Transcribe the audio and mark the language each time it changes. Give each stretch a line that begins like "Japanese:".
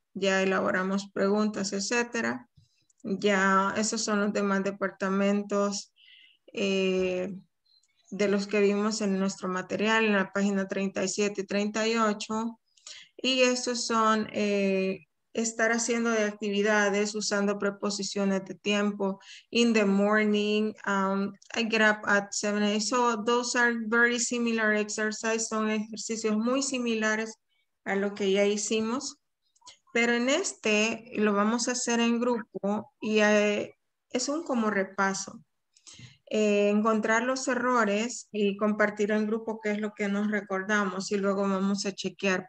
Spanish: Ya elaboramos preguntas, etcétera. Ya esos son los demás departamentos de los que vimos en nuestro material en la página 37 y 38. Y estos son estar haciendo de actividades usando preposiciones de tiempo.
English: In the morning, I get up at 7 a.m. So those are very similar exercises.
Spanish: Son ejercicios muy similares a lo que ya hicimos. Pero en este lo vamos a hacer en grupo y es un como repaso. Encontrar los errores y compartir en grupo qué es lo que nos recordamos y luego vamos a chequear.